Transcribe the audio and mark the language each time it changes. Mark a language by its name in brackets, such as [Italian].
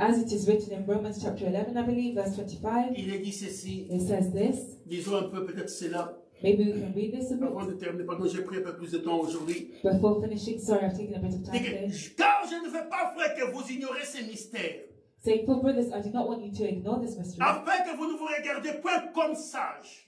[English] As it is written in Romans chapter 11, I believe, verse 25. [French] Il est dit ceci. [English] It says this. [French] Disons un peu peut-être cela. [English] Maybe we can read this a bit. [French] Avant de terminer, pardon, j'ai pris un peu plus de temps aujourd'hui. [English] Before finishing, sorry, I've taken a bit of time. [French] Car je ne veux pas, frère, que vous ignorez ces mystères. [English] Saying, for brothers, I do not want you to ignore this mystery. [French] Afin que vous ne vous regardiez point comme sage.